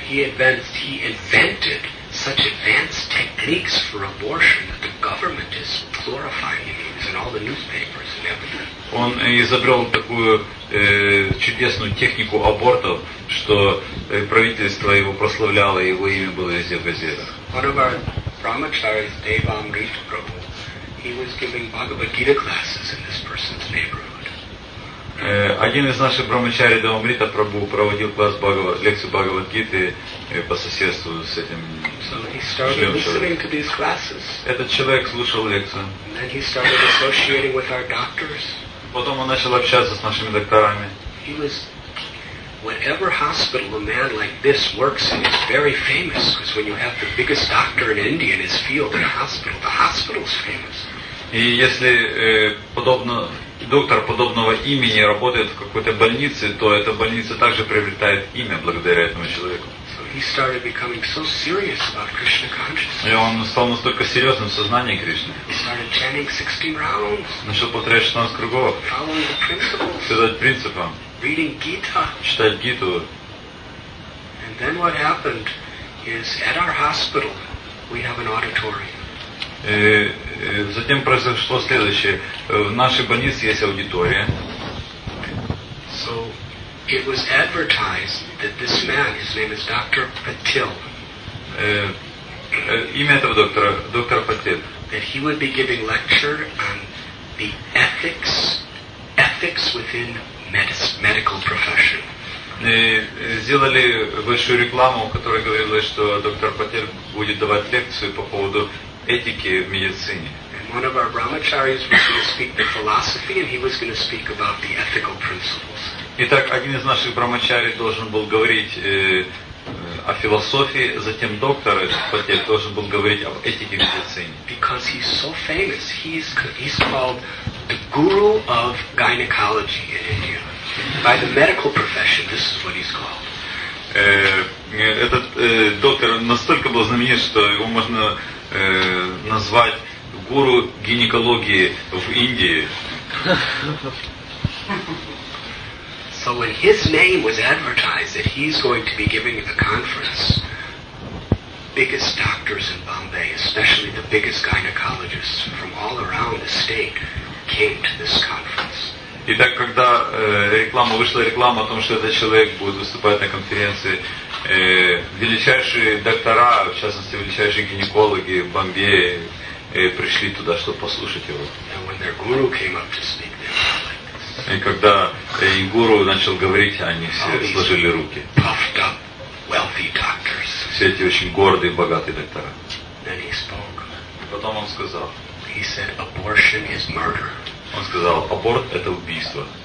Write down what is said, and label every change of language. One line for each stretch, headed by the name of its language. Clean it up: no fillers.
English: He invented such advanced techniques for abortion that the government is glorifying him. He's in all the newspapers and everything.
Russian: Он изобрел такую чудесную технику абортов, что правительство его прославляло, его имя было везде в газетах.
English: One of our brahmacharis, Devamrit Prabhu, he was giving Bhagavad Gita classes in this person's neighborhood.
Russian: Один из наших брахмачари Девамрита Прабху проводил класс лекцию Бхагавад Гиты по соседству с этим человеком. Этот человек слушал лекцию.
English: And then he started associating with our doctors.
Russian: Потом он начал общаться с нашими докторами.
English: He was, whatever hospital a man like this works in is very famous, because when you have the biggest doctor in India in his field in a hospital, the hospital's famous.
Russian: И если доктор подобного имени работает в какой-то больнице, то эта больница также приобретает имя благодаря этому человеку.
English: So he started becoming so serious about Krishna consciousness.
Russian: И он стал настолько серьезным в сознании Кришны.
English: He started chanting 16 rounds.
Russian: Начал повторять 16 кругов.
English: Following the principles.
Russian: Следовать принципам.
English: Reading Gita.
Russian: Читать Гиту.
English: And then what happened is at our hospital we have an auditorium.
Russian: И затем произошло следующее. В нашей больнице есть аудитория.
English: So it was advertised that this man, his name is Dr. Patil.
Russian: Имя этого доктора, доктор Патил.
English: That he would be giving lecture on the ethics within medical profession.
Russian: Сделали большую рекламу, которая говорила, что доктор Патил будет давать лекцию по поводу этики в медицине.
English: And one of our brahmacharis was going to speak the philosophy, and he was going to speak about the ethical principles.
Russian: Итак, один из наших брахмачари должен был говорить о философии, затем доктор Патель должен был говорить об этике в медицине.
English: Because he's so famous, he's called the guru of gynecology in India. By the medical profession, this is what he's called.
Russian: Этот доктор настолько был знаменит, что его можно назвать гуру гинекологии в Индии.
English: So when his name was advertised that he's going to be giving the conference, biggest doctors in Bombay, especially the biggest gynecologists from all around the state, came to this conference.
Russian: Итак, когда реклама о том, что этот человек будет выступать на конференции, величайшие доктора, в частности величайшие гинекологи в Бомбее, пришли туда, чтобы послушать его.
English: And when their guru came up to speak, they were like this.
Russian: И когда их гуру начал говорить, они все сложили руки.
English: Puffed up wealthy doctors.
Russian: Все эти очень гордые, богатые доктора.
English: Then he spoke.
Russian: Потом он сказал.
English: He said, abortion is murder.
Russian: Он сказал, аборт – это убийство.